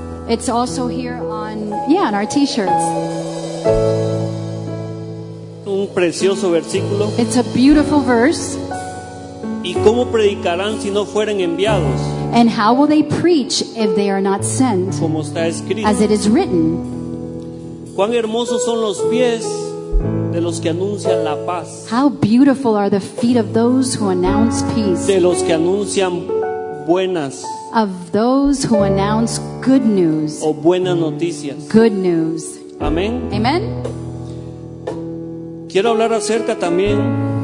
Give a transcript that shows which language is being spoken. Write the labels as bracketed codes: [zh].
[en] It's also here on our t-shirts. [es] Un precioso versículo. [en] It's a beautiful verse. [es] ¿Y cómo predicarán si no fueren enviados? [en] And how will they preach if they are not sent? [es] Como está escrito. [en] As it is written. [es] Cuán hermosos son los pies de los que anuncian la paz. [en] How beautiful are the feet of those who announce peace. [es] De los que anuncian buenas. [en] Of those who announce good news. [es] O buenas noticias. [en] Good news. [es] Amén. [en] Amen. [es] Quiero hablar acerca también.